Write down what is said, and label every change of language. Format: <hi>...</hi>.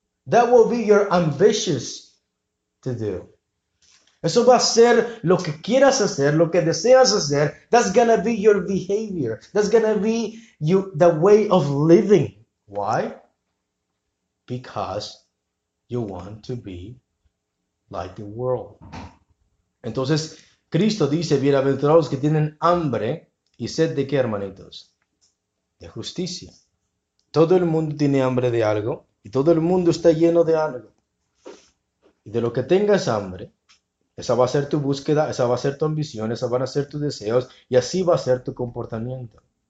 <en>That will be your ambitious to do.</en> <es>Eso va a ser lo que quieras hacer, lo que deseas hacer.</es> <en>That's gonna be your behavior. That's gonna be you, the way of living. Why? Because you want to be like the world.</en> <es>Entonces, Cristo dice, bienaventurados que tienen hambre y sed de qué, hermanitos? De justicia. Todo el mundo tiene hambre de algo y todo el mundo está lleno de algo. Y de lo que tengas hambre, esa va a ser tu búsqueda, esa va a ser tu ambición, esa van a ser tus deseos y así va a ser tu comportamiento.</es>